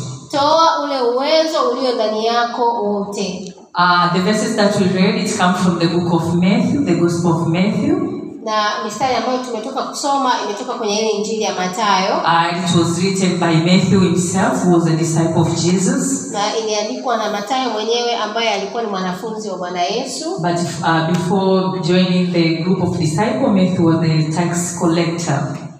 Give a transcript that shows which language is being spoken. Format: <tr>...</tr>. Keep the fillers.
<sw>toa ule uwezo ulio ndani yako wote</sw> <en>uh, the verses that we read it come from the book of matthew the gospel of matthew</en> <sw>na mistari ambayo tumetoka kusoma imetoka kwenye ile injili ya matayo</sw> <en>and uh, it was written by matthew himself who was a disciple of jesus</en> <sw>na iliandikwa na matayo mwenyewe ambaye alikuwa ni mwanafunzi wa bwana yesu</sw> <en>but if, uh, before joining the group of disciple matthew was the tax collector</en>